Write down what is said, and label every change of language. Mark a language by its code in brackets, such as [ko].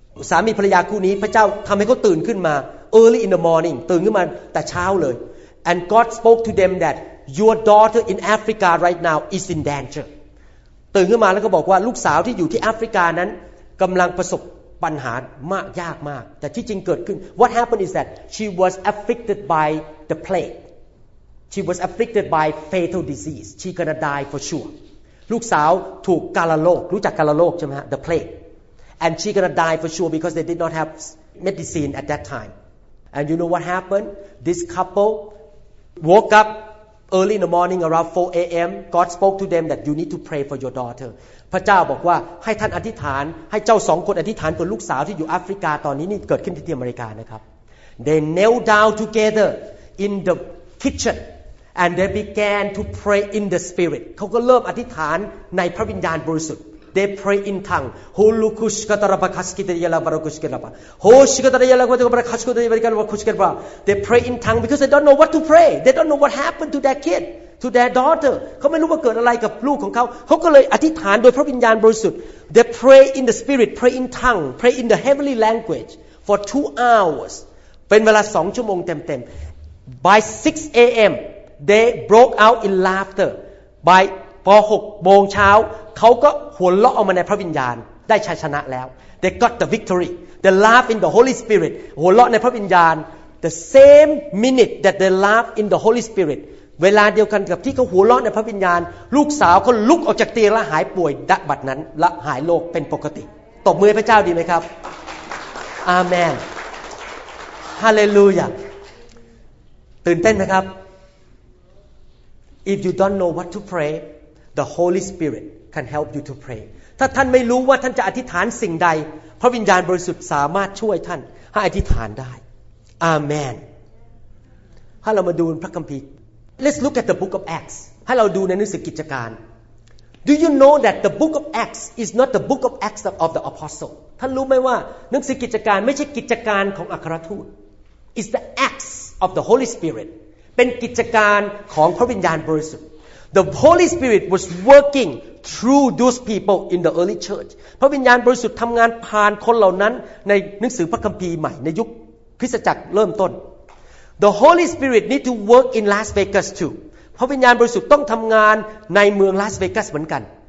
[th] สามีภรรยาคู่นี้พระเจ้าทำให้เขาตื่นขึ้นมา [en] early in the morning [th] ตื่นขึ้นมาแต่เช้าเลย [en] and God spoke to them that your daughter in Africa right now is in danger [th] ตื่นขึ้นมาแล้วก็บอกว่าลูกสาวที่อยู่ที่แอฟริกานั้นกำลังประสบปัญหามากยากมากแต่ที่จริงเกิดขึ้น [en] what happened is that she was afflicted by the plagueShe was afflicted by fatal disease. She gonna die for sure. [th] ลูกสาวถูกกาฬโรครู้จักกาฬโรคใช่ไหมฮะ [en] The plague. And she gonna die for sure because they did not have medicine at that time. And you know what happened? This couple woke up early in the morning around 4 a.m. God spoke to them that you need to pray for your daughter. [th] พระเจ้าบอกว่าให้ท่านอธิษฐานให้เจ้าสองคนอธิษฐานเพื่อลูกสาวที่อยู่แอฟริกาตอนนี้นี่เกิดขึ้นที่อเมริกานะครับ [en] They knelt down together in the kitchen. And they began to pray in the spirit. [th] เขาก็เริ่มอธิษฐานในพระวิญญาณบริสุทธิ์ [en] They pray in tongue. Holukush katarabakaskitayala barakushkirapa. Hoshikatayala barakushkirapa. They pray in tongue because they don't know what to pray. They don't know what happened to their kid, to their daughter. [th] เขาไม่รู้ว่าเกิดอะไรกับลูกของเขาเขาก็เลยอธิษฐานโดยพระวิญญาณบริสุทธิ์ [en] They pray in the spirit, pray in tongue, pray in the heavenly language for 2 hours. [th] เป็นเวลา2 ชั่วโมงเต็มๆ [en] By 6 a.m. They broke out in laughter. By 6 o'clock, [th] เขาก็หัวเราะออกมาในพระวิญญาณได้ชัยชนะแล้ว [en] They got the victory. They laugh in the Holy Spirit. [th] หัวเราะในพระวิญญาณ [en] The same minute that they laugh in the Holy Spirit, [th] เวลาเดียวกันกับที่เขาหัวเราะในพระวิญญาณลูกสาวเขาลุกออกจากเตียงและหายป่วยดับบัดนั้นและหายโรคเป็นปกติตบมือพระเจ้าดีไหมครับ Amen. [en] Hallelujah. [th] ตื่นเต้นไหมครับ [en] If you don't know what to pray, the Holy Spirit can help you to pray. [th] ถ้าท่านไม่รู้ว่าท่านจะอธิษฐานสิ่งใดพระวิญญาณบริสุทธิ์สามารถช่วยท่านให้อธิษฐานได้ Amen. ให้เรามาดูพระคัมภีร์ [en] Let's look at the book of Acts. [th] ให้เราดูในหนังสือกิจการ [en] Do you know that the book of Acts is not the book of Acts of the apostle? [th] ท่านรู้ไหมว่าหนังสือกิจการไม่ใช่กิจการของอัครทูต [en] It's the Acts of the Holy Spirit. [th] เป็นกิจการของพระวิญญาณบริสุทธิ์ [en] The Holy Spirit was working through those people in the early church [th] พระวิญญาณบริสุทธิ์ทำงานผ่านคนเหล่านั้นในหนังสือพระคัมภีร์ใหม่ในยุคคริสตจักรเริ่มต้น [en] The Holy Spirit need to work in Las Vegas too [th] พระวิญญาณบริสุทธิ์ต้องทำงานในเมืองลาสเวกัสเหมือนกัน